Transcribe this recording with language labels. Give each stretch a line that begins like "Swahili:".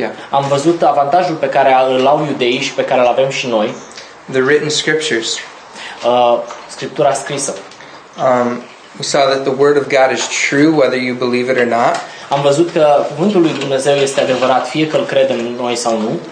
Romanian: Am văzut avantajul pe care îl au iudeii și pe care îl avem și noi.
English: The written scriptures.
Romanian: Scriptura scrisă.
English: We saw that the word of God is true whether you believe it or not.
Romanian: Am văzut că cuvântul lui Dumnezeu este adevărat fie că îl credem noi sau nu.